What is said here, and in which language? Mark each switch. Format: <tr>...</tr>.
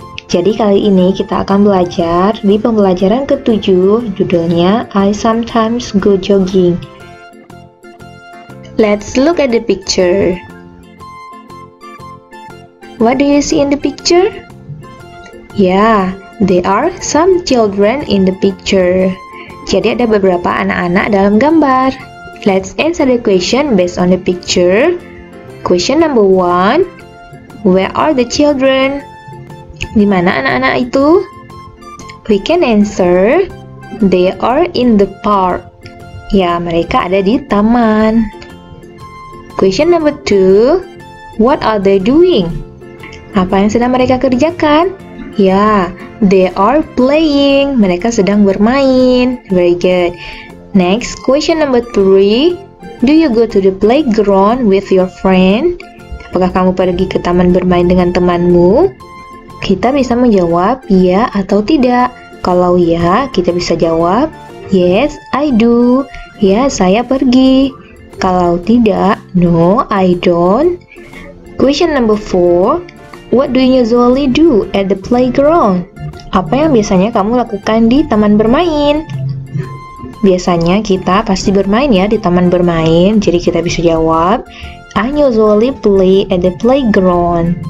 <id>Jadi kali ini kita akan belajar di pembelajaran ke-7, judulnya</id> <en>I sometimes go jogging. Let's look at the picture. What do you see in the picture? Yeah, there are some children in the picture.</en> <id>Jadi ada beberapa anak-anak dalam gambar.</id> <en>Let's answer the question based on the picture. Question number 1. Where are the children?</en> <id>Di mana anak-anak itu?</id> <en>We can answer. They are in the park.</en> <id>Ya, mereka ada di taman.</id> <en>Question number 2. What are they doing?</en> <id>Apa yang sedang mereka kerjakan?</id> <en>Ya, they are playing.</en> <id>Mereka sedang bermain.</id> <en>Very good. Next, question number 3. Do you go to the playground with your friend?</en> <id>Apakah kamu pergi ke taman bermain dengan temanmu? Kita bisa menjawab ya atau tidak. Kalau ya, kita bisa jawab</id> <en>yes, I do.</en> <id>Ya, saya pergi. Kalau tidak,</id> <en>no, I don't. Question number 4. What do you usually do at the playground?</en> <id>Apa yang biasanya kamu lakukan di taman bermain? Biasanya kita pasti bermain ya di taman bermain. Jadi kita bisa jawab</id> <en>I usually play at the playground.</en>